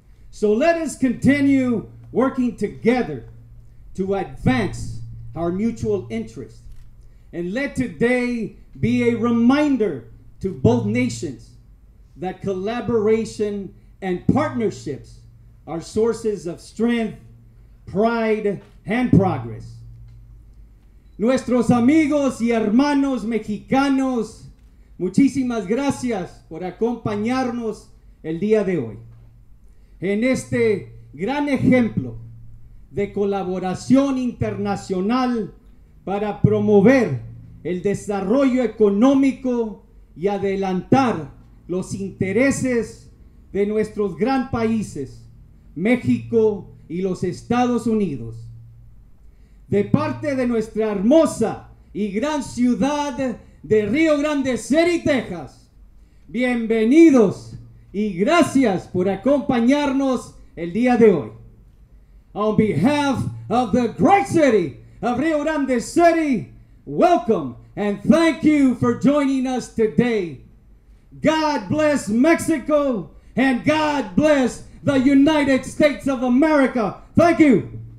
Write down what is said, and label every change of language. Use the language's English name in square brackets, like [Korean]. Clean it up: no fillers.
[English] So let us continue working together to advance our mutual interest, and let today be a reminder to both nations that collaboration and partnerships are sources of strength, pride, and progress. [Spanish] Nuestros amigos y hermanos mexicanos, muchísimas gracias por acompañarnos el día de hoy en este gran ejemplo de colaboración internacional para promover el desarrollo económico y adelantar los intereses de nuestros gran países, México y los Estados Unidos. De parte de nuestra hermosa y gran ciudad de Rio Grande City, Texas, bienvenidos y gracias por acompañarnos el día de hoy. [English] On behalf of the great city of Rio Grande City, welcome and thank you for joining us today. God bless Mexico and God bless the United States of America. Thank you.